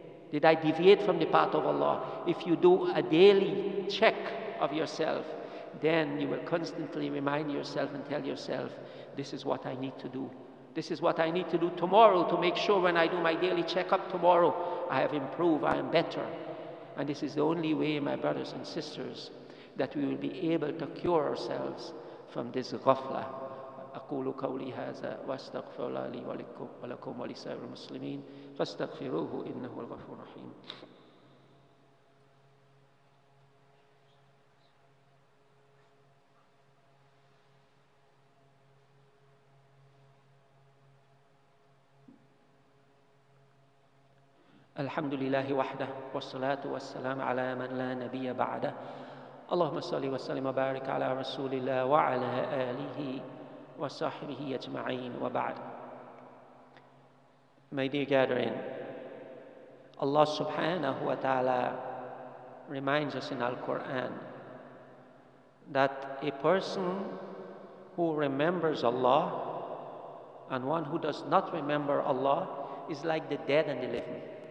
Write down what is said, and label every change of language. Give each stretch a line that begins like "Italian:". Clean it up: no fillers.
English: Did I deviate from the path of Allah? If you do a daily check of yourself, then you will constantly remind yourself and tell yourself, this is what I need to do. This is what I need to do tomorrow to make sure when I do my daily checkup tomorrow, I have improved, I am better. And this is the only way, my brothers and sisters, that we will be able to cure ourselves from this ghafla.
Arabic: أقول قولي هذا واستغفر الله لي ولكم ولكم ولسائر المسلمين فاستغفروه إنه الغفور الرحيم. الحمد لله وحده والصلاة والسلام على من لا نبي بعده. اللهم صل وسلم وبارك على رسول الله وعلى آله وصحبه أجمعين وبعد.
English: My dear gathering, Allah subhanahu wa ta'ala reminds us in Al-Quran that a person who remembers Allah and one who does not remember Allah is like the dead and the living.